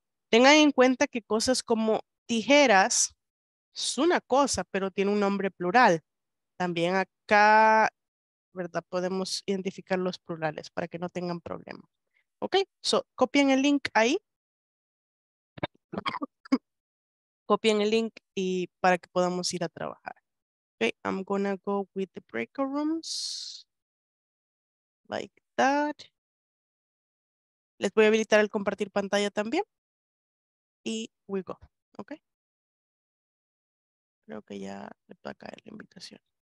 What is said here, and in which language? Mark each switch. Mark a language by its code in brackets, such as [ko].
[es] Tengan en cuenta que cosas como tijeras es una cosa, pero tiene un nombre plural. También acá, ¿verdad? Podemos identificar los plurales para que no tengan problema. Ok, so copien el link ahí. Copien el link y para que podamos ir a trabajar. [en] Ok, I'm gonna go with the breakout rooms. Like that. [es] Les voy a habilitar el compartir pantalla también. Y [en] we go. [es] Ok. Creo que ya le va a caer la invitación.